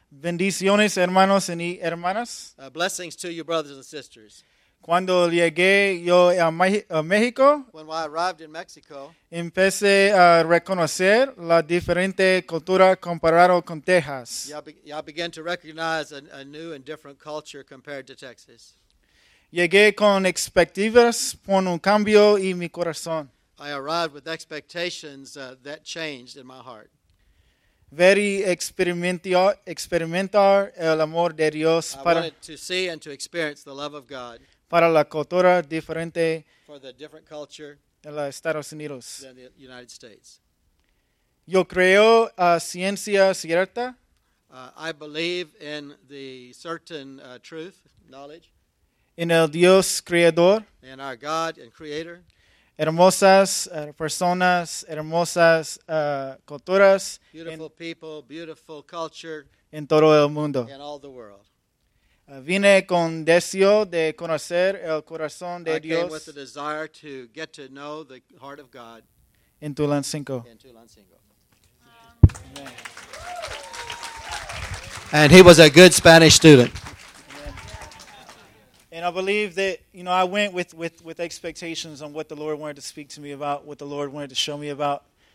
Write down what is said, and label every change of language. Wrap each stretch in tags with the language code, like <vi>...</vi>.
<es>Bendiciones, hermanos y hermanas.</es> <en>Blessings to you, brothers and sisters.</en> <es>Cuando llegué yo a México,</es> <en>when I arrived in Mexico,</en> <es>empecé a reconocer la diferente cultura comparado con Texas.</es> <en>I began to recognize a new and different culture compared to Texas.</en> <es>Llegué con expectativas por un cambio en mi corazón.</es> <en>I arrived with expectations that changed in my heart.</en> <es>Very experimentar el amor de Dios</es> <en>para, I wanted to see and to experience the love of God</en> <es>para la cultura diferente,</es> <en>for the different culture</en> <es>en los Estados Unidos,</es> <en>than the United States.</en> <es>Yo creo a ciencia cierta.</es> <en>I believe in the certain truth, knowledge.</en> <es>En el Dios creador.</es> <en>In our God and creator.</en> <es>Hermosas personas, hermosas culturas.</es> <en>Beautiful people, beautiful culture.</en> <es>En todo el mundo.</es> <en>In all the world.</en> <es>Vine con deseo de conocer el corazón de Dios.</es> <en>I came with the desire to get to know the heart of God.</en> <es>En Tulancingo.</es> <en>In Tulancingo. Amen. And he was a good Spanish student. And I believe that, you know, I went with expectations on what the Lord wanted to speak to me about, what the Lord wanted to show me about.</en>